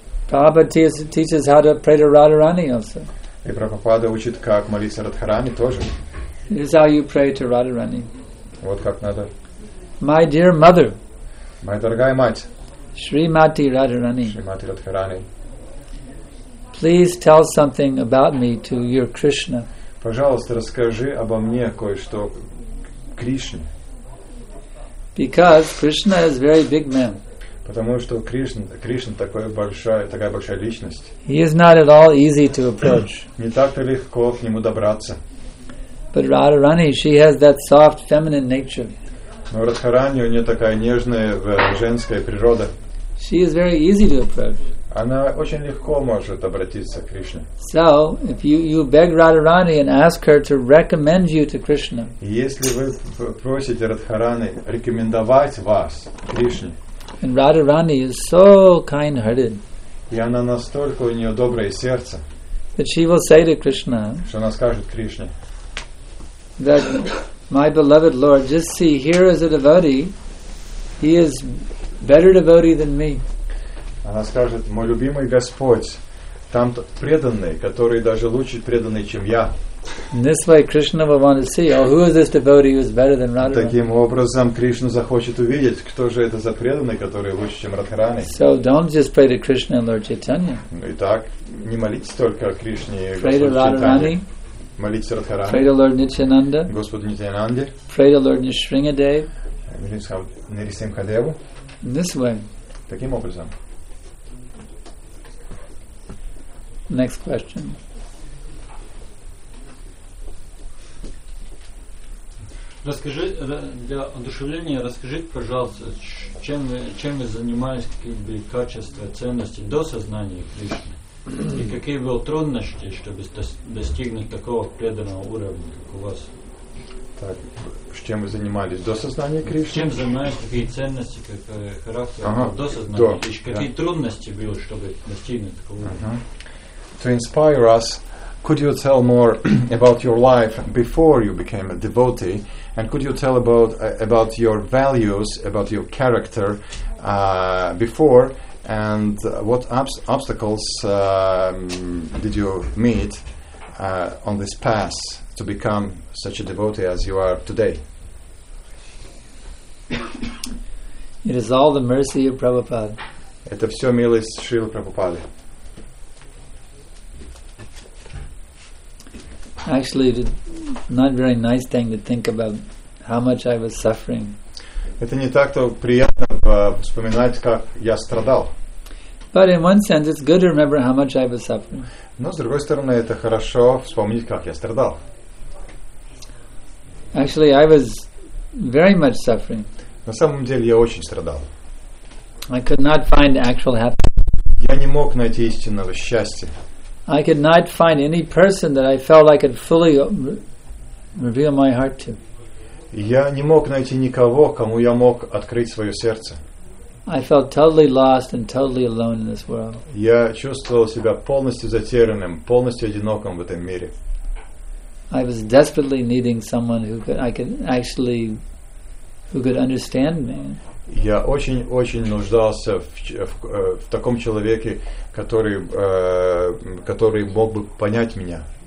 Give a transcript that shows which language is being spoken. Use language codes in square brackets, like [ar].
[en] Prabhupada teaches how to pray to Radharani also. [ru] И Прабхупада учит, как молиться Радхарани тоже. [en] This is how you pray to Radharani. [ru] Вот как надо. [en] My dear mother. [ru] Моя дорогая мать. [en] Shrimati Radharani. Shrimati Radharani. Please tell something about me to your Krishna. [ru] Пожалуйста, расскажи обо мне кое-что Кришне. [en] Because Krishna is a very big man. [ru] Потому что Кришна такая большая личность. [en] He is not at all easy to approach. [ru] Не так-то легко к нему добраться. [en] But Radharani, she has that soft feminine nature. [ru] Но Радхарани, у нее такая нежная женская природа. [en] She is very easy to approach. [ru] Она очень легко может обратиться к Кришне. [en] So, if you beg Radharani and ask her to recommend you to Krishna. [ru] Если вы просите Радхарани рекомендовать вас Кришне. [en] And Radharani is so kind-hearted. [ru] И она настолько у нее доброе сердце. [en] That she will say to Krishna. [ru] Что она скажет Кришне. [en] That my beloved Lord, just see, here is a devotee. He is better devotee than me. [ru] Она скажет, мой любимый Господь, там преданный, который даже лучше преданный, чем я. [en] In this way, Krishna will want to see, oh, who is this devotee who is better than Radharani? [ru] Таким образом, Кришна захочет увидеть, кто же это за преданный, который лучше, чем Радхарани. [en] So don't just pray to Krishna and Lord Chaitanya. [ru] Итак, не молитесь только Кришне и Господу Чайтанье. Молиться Радхарани. [en] Pray to Lord Nityananda. [ru] Господу Нитянанде. [en] Pray to Lord Nrisimhadeva. [ru] Нрисимхадеву. [en] In this way. [ru] Таким образом. [en] Next question. [ru] Расскажи для одушевления, расскажите, пожалуйста, чем вы занимались, какие были качества, ценности до сознания Кришны? И какие были трудности, чтобы достигнуть такого преданного уровня, как у вас? Так, с чем вы занимались до сознания Кришны? Чем занимались, какие ценности, как характер, до сознания Кришны? Какие трудности были, чтобы достигнуть такого уровня? [en] To inspire us, could you tell more about your life before you became a devotee, and could you tell about your values, about your character before, and what obstacles did you meet on this path to become such a devotee as you are today? It is all the mercy of Prabhupada. [ru] Это все милость Шрилы Прабхупады. [en] Actually, it's not a very nice thing to think about how much I was suffering. [ru] Это не так-то приятно вспоминать, как я страдал. [en] But in one sense, it's good to remember how much I was suffering. [ru] Но с другой стороны, это хорошо вспомнить, как я страдал. [en] Actually, I was very much suffering. [ru] На самом деле, я очень страдал. [en] I could not find actual happiness. [ru] Я не мог найти истинного счастья. [en] I could not find any person that I felt I could fully reveal my heart to. [ru] Я не мог найти никого, кому я мог открыть своё сердце. [en] I felt totally lost and totally alone in this world. [ru] Я чувствовал себя полностью затерянным, полностью одиноким в этом мире. [en] I was desperately needing someone who could understand me. [ru] Я очень-очень нуждался в таком человеке, который мог бы понять меня.